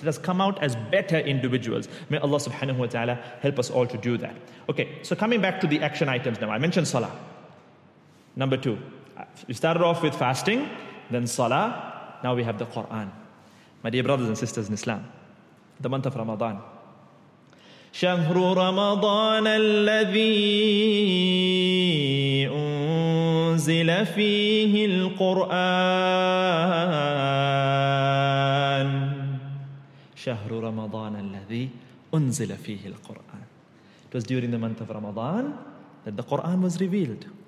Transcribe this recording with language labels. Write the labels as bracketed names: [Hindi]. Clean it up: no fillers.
[English] Let us come out as better individuals. May Allah subhanahu wa ta'ala help us all to do that. Okay, so coming back to the action items now. I mentioned Salah. Number 2. We started off with fasting, then Salah. Now we have the Quran. My dear brothers and sisters in Islam, the month of Ramadan, [Arabic] شهر رمضان الذي أنزل فيه القرآن شهر رمضان الذي أنزل فيه القرآن. [English] It was during the month of Ramadan that the Quran was revealed.